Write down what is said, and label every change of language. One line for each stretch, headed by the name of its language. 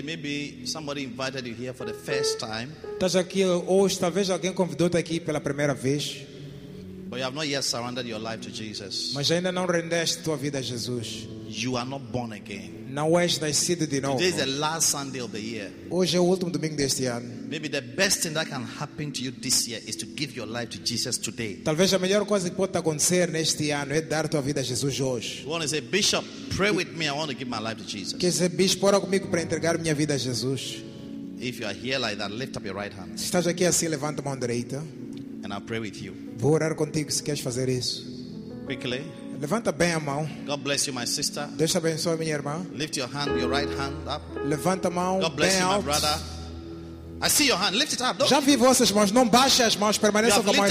English: Maybe somebody invited you here for the first time.
Portuguese: Estás aqui hoje, talvez alguém convidou-te aqui pela primeira vez.
English: But you have not yet surrendered your life to Jesus.
Portuguese: Mas ainda não rendeste tua vida a Jesus.
English: You are not born again.
Portuguese: Não és nascido de novo.
English: Today is the last Sunday of the year.
Portuguese: Hoje é o último domingo deste ano.
English: Maybe the best thing that can happen to you this year is to give your life to Jesus today.
Portuguese: Talvez a melhor coisa que pode acontecer neste ano é dar tua vida a Jesus hoje.
English: You want to say, Bishop, pray with me. I want to give my life to Jesus.
Portuguese: Quer dizer, bispo, ora comigo para entregar minha vida a Jesus.
English: If you are here like that, lift up your right hand.
Portuguese: Se estás aqui assim, levanta a mão direita.
English: And I'll pray with you.
Portuguese: Vou orar contigo se queres fazer isso.
English: Quickly.
Portuguese: Levanta bem a mão.
English: God bless you, my sister.
Portuguese: Deus abençoe minha irmã.
English: Lift your hand, your right hand up.
Portuguese: Levanta a mão.
English: God bless
Portuguese: bem
English: you,
Portuguese: alto.
English: My brother. I see your hand. Lift it up.
Portuguese: Já vi vossas mãos. Não baixe as mãos. Permaneça com a mão em cima.